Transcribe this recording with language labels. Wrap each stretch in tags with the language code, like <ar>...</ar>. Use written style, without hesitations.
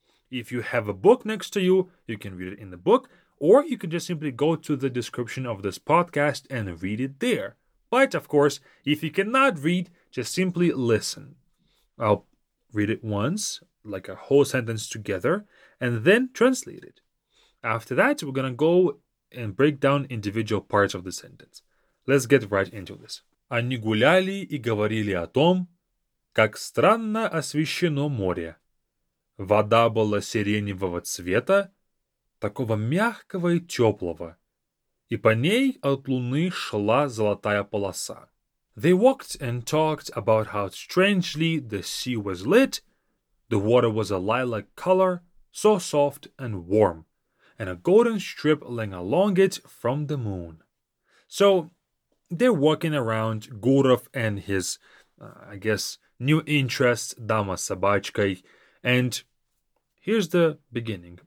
<en>If you have a book next to you, you can read it in the book, or you can just simply go to the description of this podcast and read it there. But, of course, if you cannot read, just simply listen. I'll read it once, like a whole sentence together, and then translate it. After that, we're going to go and break down individual parts of the sentence. Let's get right into this.</en> <ru>Они гуляли и говорили о том, как странно освещено море. Вода была сиреневого цвета, такого мягкого и теплого, и по ней от луны шла золотая полоса.</ru> <en>They walked and talked about how strangely the sea was lit. The water was a lilac color, so soft and warm, and a golden strip lay along it from the moon. So, they're walking around Gurov and his, new interest, Дама с собачкой, and here's the beginning.</en>